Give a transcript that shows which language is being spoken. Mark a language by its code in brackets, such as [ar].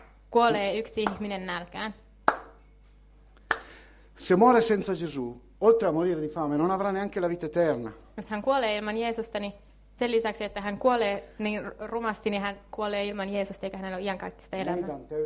[fi] Kuolee yksi ihminen nälkään. [it] Se muore senza Gesù, oltre a morire di fame, non avrà neanche la vita eterna. [fi] Jos hän kuolee ilman Jeesusta, niin sen lisäksi, että hän kuolee niin rumasti, niin hän kuolee ilman Jeesusta, eikä hänellä ole iankaikkista elämää.